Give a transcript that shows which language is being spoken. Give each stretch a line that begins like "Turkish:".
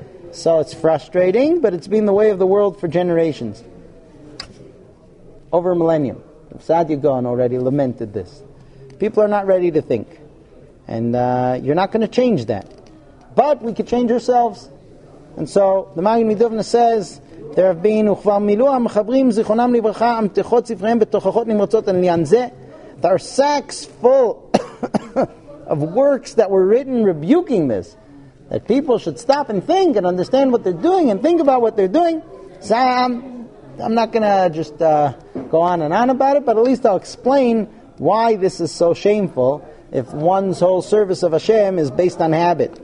English: So it's frustrating, but it's been the way of the world for generations. Over a millennium. Sadia Gaon already lamented this. People are not ready to think. And you're not going to change that. But we could change ourselves. And so the Magen Midovna says, there have been
Hebrew: וכבר מילאו המחברים זיכרונם לברכה המתכות ספריהם בתוכחות נמרצות על עניין זה.
English: There are sacks full of works that were written rebuking this. That people should stop and think and understand what they're doing and think about what they're doing. So I'm not going to just go on and on about it, but at least I'll explain why this is so shameful if one's whole service of Hashem is based on habit.